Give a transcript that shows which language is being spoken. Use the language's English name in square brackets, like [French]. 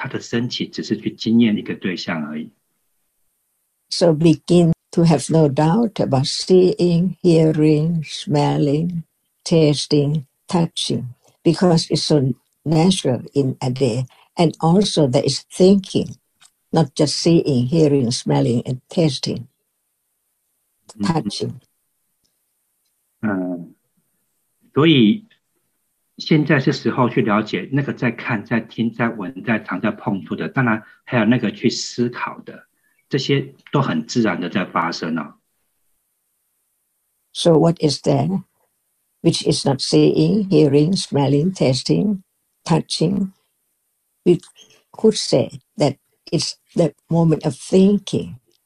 [Chinese] 那么不是只是在文字上说讨论，然后认为自己已经了解那个法了，而是真的去了解它的无我的本质，它的身体只是去经验一个对象而已。 [English] So begin to have no doubt about seeing, hearing, smelling, tasting, touching, because it's so natural in a day. And also there is thinking, not just seeing, hearing, smelling, and tasting, touching. [Chinese] 所以现在是时候去了解那个在看、在听、在闻、在尝、在碰触的，当然还有那个去思考的。 [English] So what is there, which is not seeing, hearing, smelling, tasting, touching? We could say that it's the moment of thinking.